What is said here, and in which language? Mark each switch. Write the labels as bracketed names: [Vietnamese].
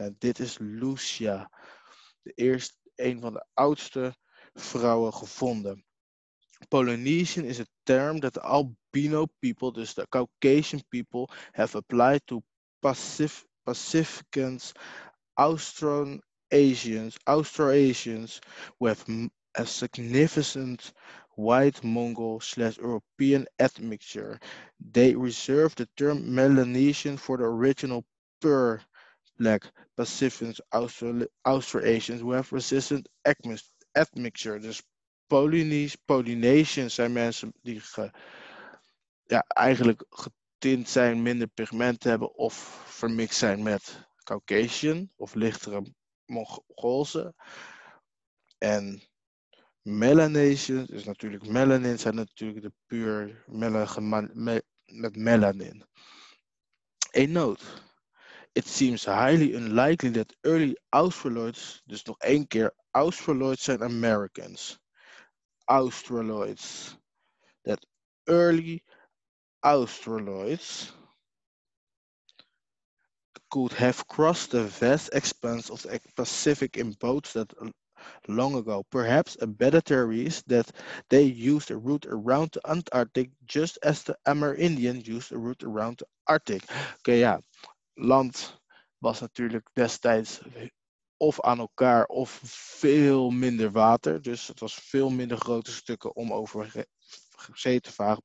[Dutch] En dit is Lucia, een van de oudste vrouwen gevonden. [English] Polynesian is a term that the albino people, dus the Caucasian people, have applied to Pacificans, Austroasians with a significant white Mongol / European admixture. They reserve the term Melanesian for the original pure black Pacificans, Austroasians who have resistant admixture. [Dutch] Dus Polynesians zijn mensen die eigenlijk getint zijn, minder pigment hebben of vermixt zijn met Caucasian of lichtere Mongoolse. En Melanesian is natuurlijk melanin, zijn natuurlijk de puur met melanin. [English] A note. It seems highly unlikely that early Australoids, [Dutch] dus nog één keer, [English] Australoids zijn Americans. Australoids. That early Australoids could have crossed the vast expanse of the Pacific in boats that long ago. Perhaps a better theory is that they used a route around the Antarctic, just as the Amerindian used a route around the Arctic. [Dutch] Oké, ja, land was natuurlijk destijds of aan elkaar of veel minder water. Dus het was veel minder grote stukken om over zee te varen.